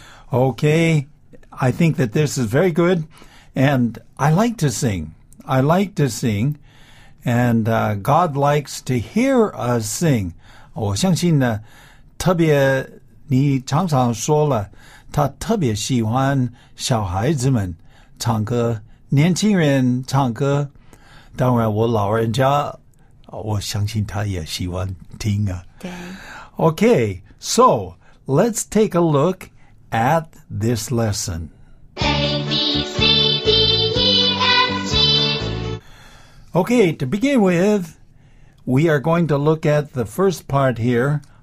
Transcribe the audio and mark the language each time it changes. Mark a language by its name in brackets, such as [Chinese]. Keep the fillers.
[English] okay, I think that this is very good and I like to sing. I like to sing and uh, God likes to hear us sing. [Chinese] 我相信呢,特别你常常说了,他特别喜欢小孩子们唱歌，年轻人唱歌。当然，我老人家，我相信他也喜欢听啊。 [English] okay, so let's take a look at this lesson. A, B, C, B, e, M, G. Okay, to begin with, we are going to look at the first part here.